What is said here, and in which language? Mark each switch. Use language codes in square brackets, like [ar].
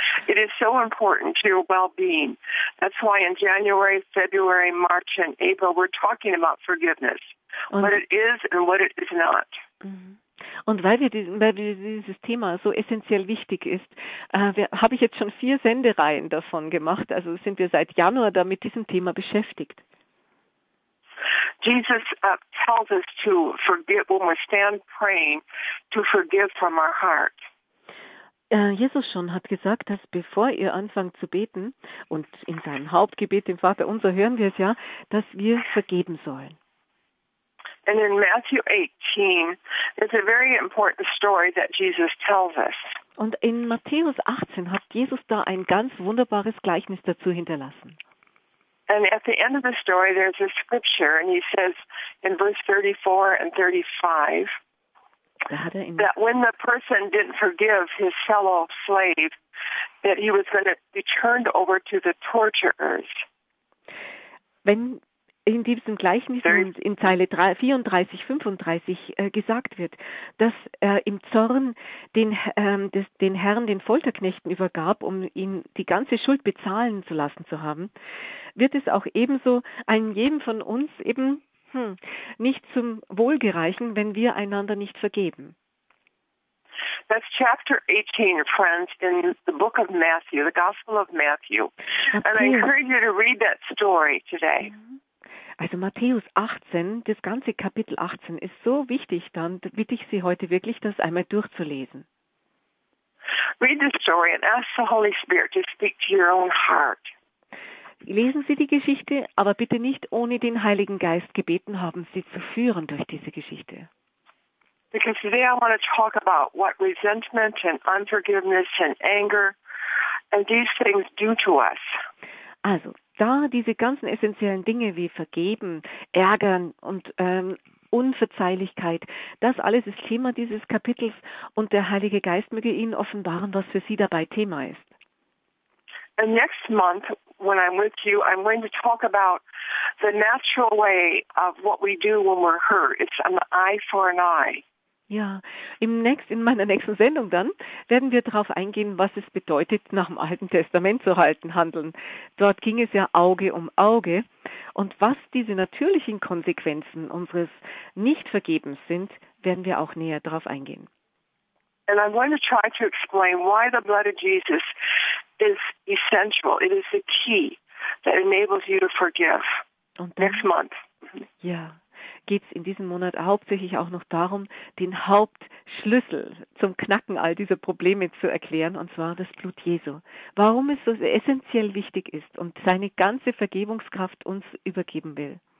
[en] It is so important to your well-being. That's why in January, February, March, and April we're talking about forgiveness, what it is and what it is not. [de] Und weil wir dieses Thema so essentiell wichtig ist, habe ich jetzt schon 4 Sendereihen davon gemacht. Also sind wir seit Januar da mit diesem Thema beschäftigt. [en] Jesus tells us to forgive when we stand praying, to forgive from our heart. [de] Jesus schon hat gesagt, dass bevor ihr anfangt zu beten, und in seinem Hauptgebet, dem Vater Unser, hören wir es ja, dass wir vergeben sollen. [en] And in Matthew 18, there's a very important story that Jesus tells us. [de] Und in Matthäus 18 hat Jesus da ein ganz wunderbares Gleichnis dazu hinterlassen. [en] And at the end of the story, there's a scripture, and he says in verse 34 and 35, that when the person didn't forgive his fellow slave, that he was going to be turned over to the torturers. [de] Wenn in diesem Gleichnis in Zeile 34, 35 gesagt wird, dass er im Zorn den Herrn, den Folterknechten übergab, um ihn die ganze Schuld bezahlen zu lassen zu haben, wird es auch ebenso einem jedem von uns eben nicht zum Wohl gereichen, wenn wir einander nicht vergeben. [en] That's chapter 18, friends, in the book of Matthew, the Gospel of Matthew. And I encourage you to read that story today. [de] Also Matthäus 18, das ganze Kapitel 18 ist so wichtig, dann bitte ich Sie heute wirklich, das einmal durchzulesen. [en] Read the story and ask the Holy Spirit to speak to your own heart. [de] Lesen Sie die Geschichte, aber bitte nicht ohne den Heiligen Geist gebeten haben, Sie zu führen durch diese Geschichte. [en] Because today I want to talk about what resentment and unforgiveness and anger and these things do to us. [de] Also, da diese ganzen essentiellen Dinge wie Vergeben, Ärgern und Unverzeihlichkeit, das alles ist Thema dieses Kapitels und der Heilige Geist möge Ihnen offenbaren, was für Sie dabei Thema ist. [en] And next month, when I'm with you, I'm going to talk about the natural way of what we do when we're hurt. It's an eye for an eye. [de] Ja, in meiner nächsten Sendung dann werden wir darauf eingehen, was es bedeutet, nach dem Alten Testament zu handeln. Dort ging es ja Auge um Auge. Und was diese natürlichen Konsequenzen unseres Nichtvergebens sind, werden wir auch näher darauf eingehen. [en] And I'm going to try to explain why the blood of Jesus is essential. It is the key that enables you to forgive. [de] Und dann, [en] next month. [de] Ja, geht's in diesem Monat hauptsächlich auch noch darum, den Hauptschlüssel zum Knacken all dieser Probleme zu erklären, und zwar das Blut Jesu. Warum es so essentiell wichtig ist und seine ganze Vergebungskraft uns übergeben will.